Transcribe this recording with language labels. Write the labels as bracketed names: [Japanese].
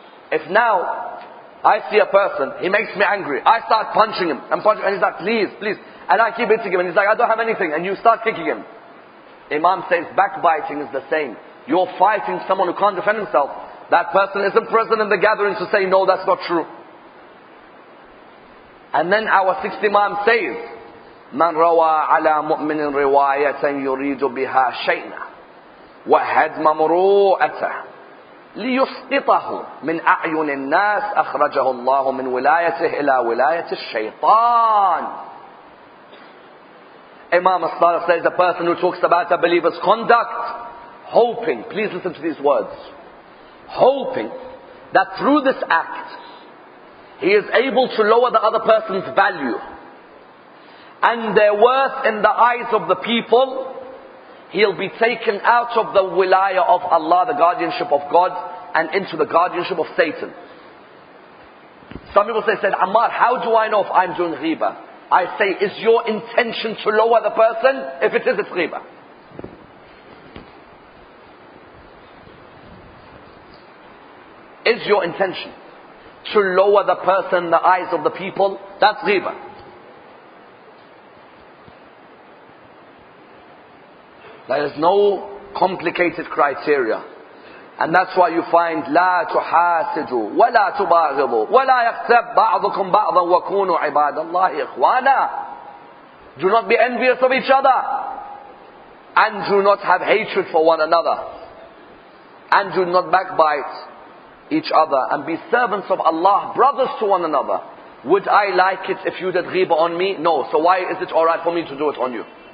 [English] If now I see a person, he makes me angry, I start punching him, and he's like, please, please. And I keep hitting him, and he's like, I don't have anything, and you start kicking him. Imam says, backbiting is the same. You're fighting someone who can't defend himself. That person isn't present in the gathering to say, no, that's not true. [Arabic] And then our sixth Imam says, مَنْ رَوَى عَلَى مُؤْمِنٍ رِوَايَةً يُرِيدُ بِهَا شَيْنًا وَهَدْمَ مُرُوءَتَهُ لِيُسْقِطَهُ مِنْ أَعْيُنِ النَّاسِ أَخْرَجَهُ اللَّهُ مِنْ وِلَايَتِهِ إِلَى وِلَايَةِ الشَّيْطَانِ. [English] Imam As-Sadiq says, the person who talks about a believer's conduct, hoping, please listen to these words, hoping that through this act, he is able to lower the other person's value and their worth in the eyes of the people, he'll be taken out of the wilayah of Allah, the guardianship of God, and into the guardianship of Satan. Some people say, said, Ammar, how do I know if I'm doing ghibah? I say, is your intention to lower the person? If it is, it's ghibah. Is your intention to lower the person in the eyes of the people? That's ghibah. There is no complicated criteria. [Arabic] And that's why you find لا تحاسدوا ولا تباغضوا ولا يغتب بعضكم بعضا وكونوا عباد الله إخوانا. [English] Do not be envious of each other. And do not have hatred for one another. And do not backbite each other, and be servants of Allah, brothers to one another. Would I like it if you did ghibah on me? No. So why is it alright for me to do it on you?